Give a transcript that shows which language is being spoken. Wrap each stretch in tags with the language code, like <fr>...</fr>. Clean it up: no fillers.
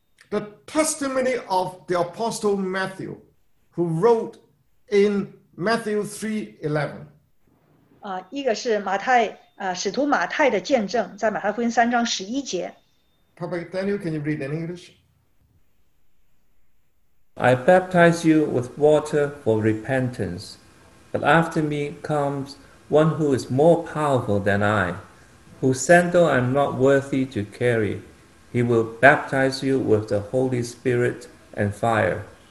<en>The testimony of the Apostle Matthew, who wrote in Matthew 3:11.</en> <zh>一个是使徒马太的见证, 在马太福音3:11.</zh> <en>Papa Daniel, can you read in English? I baptize you with water for repentance, but after me comes one who is more powerful than I, whose sandal I am not worthy to carry. He will baptize you with the Holy Spirit and fire.</en>